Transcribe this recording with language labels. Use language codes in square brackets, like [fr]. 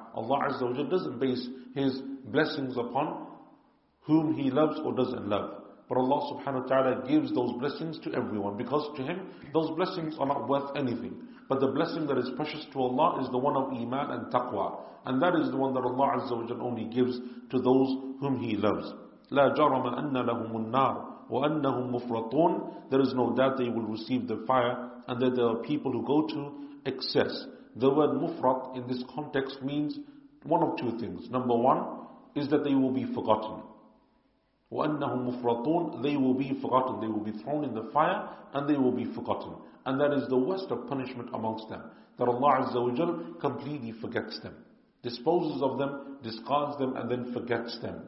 [en] Allah Azza wa Jal doesn't base His blessings upon whom He loves or doesn't love. But Allah subhanahu wa ta'ala gives those blessings to everyone, because to Him, those blessings are not worth anything. But the blessing that is precious to Allah is the one of Iman and Taqwa. And that is the one that Allah Azza wa Jal only gives to those whom He loves. [ar] لا جرم أن لهم النار وأنهم مفرطون. [en] There is no doubt they will receive the fire, and that there are people who go to excess. The word mufrat in this context means one of two things. Number one is that they will be forgotten. [ar] وأنهم مفرطون. [en] They will be forgotten. They will be thrown in the fire and they will be forgotten. And that is the worst of punishment amongst them, that Allah Azza wa Jal completely forgets them, disposes of them, discards them, and then forgets them.